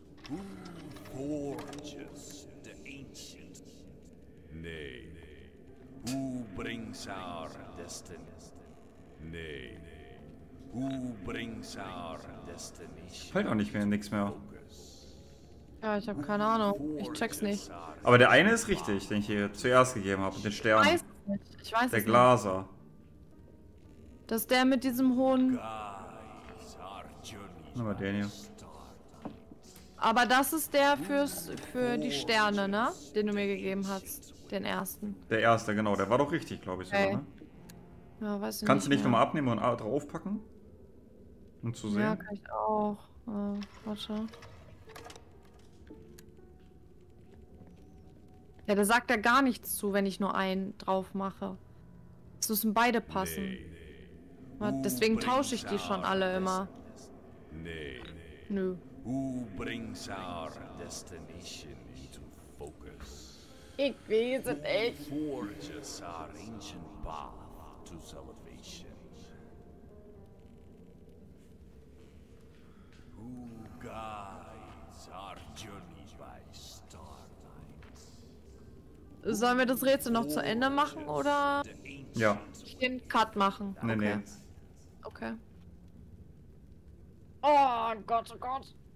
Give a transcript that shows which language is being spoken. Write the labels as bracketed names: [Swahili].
[English] Who forges the ancient? [German] Nee. [English] Who brings our destiny? [German] Nee. [English] Who brings our destination? [German] Fällt auch nicht mehr, nix mehr. Ja, ich hab keine Ahnung. Ich check's nicht. Aber der eine ist richtig, den ich hier zuerst gegeben habe, den Stern. Ich weiß es nicht. Der Glaser. Das ist der mit diesem hohen. Aber den hier. Aber das ist der für die Sterne, ne? Den du mir gegeben hast. Den ersten. Der erste, genau. Der war doch richtig, glaube ich, sogar, ne? Ja, weiß ich Kannst nicht du nicht nochmal abnehmen und draufpacken? Um zu sehen? Ja, kann ich auch. Warte. Ja, da sagt er gar nichts zu, wenn ich nur einen drauf mache. Es müssen beide passen. Nee. Deswegen tausche ich die schon alle immer. Nee. Nö. [English] Who brings our destination into focus? [German] Ich weiß es echt. [English] Who forges our ancient path? To salvation. Who guides our journey by starlight? [German] Sollen wir das Rätsel noch zu Ende machen oder? Ja. Den Cut machen. Nee. Okay. Oh Gott, oh Gott.